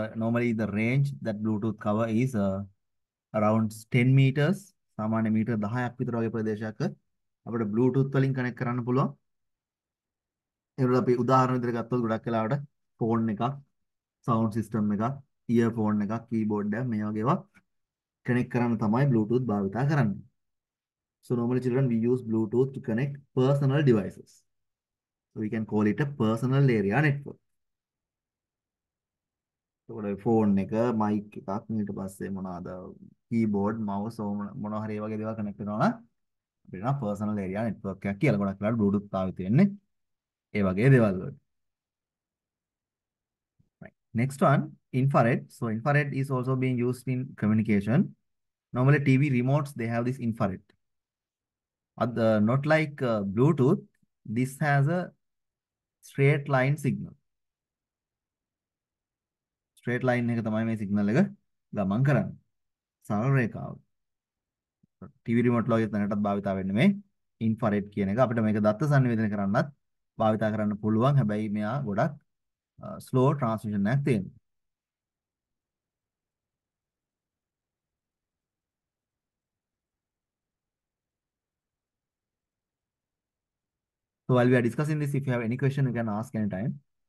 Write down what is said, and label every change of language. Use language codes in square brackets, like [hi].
[en] Normally the range that Bluetooth cover is around 10 meters. [si] සාමාන්‍ය මීටර 10ක් විතර වගේ ප්‍රදේශයක අපිට Bluetooth වලින් connect කරන්න පුළුවන්. ඒකට අපි උදාහරණ විදිහට ගත්තොත් ගොඩක් වෙලාවට phone එකක්, sound system එකක්, earphone එකක්, keyboard එකක් මේ වගේ ඒවා connect කරන්න තමයි Bluetooth භාවිත කරන්නේ. [en] So normally children we use Bluetooth to connect personal devices. So we can call it a personal area network. [si] එතකොට phone එක, mic එකක්, ඊට පස්සේ මොනවාද keyboard, mouse මොනවා හරි වගේ දේවල් connect කරනවා නම් අපිට නම් personal area network එකක් කියලා ගොඩක් වෙලාවට Bluetooth භාවිත වෙන්නේ ඒ වගේ දේවල් වලට. [en] Next one, infrared. So infrared is also being used in communication. Normally TV remotes, they have this infrared. Not like Bluetooth, this has a straight line signal. [si] Straight line එක තමයි මේ signal එක ගමන් කරන්නේ. සරල රේඛාව. TV remote ලෝගෙත් නැටත් භාවිත වෙන්නේ මේ infrared කියන එක. අපිට මේක දත්ත සංවේදනය කරන්නත් භාවිත කරන්න පුළුවන්. හැබැයි මෙයා ගොඩක් slow transmission එකක් තියෙනවා. [en] So while we are discussing this, if you have any question, you can ask anytime.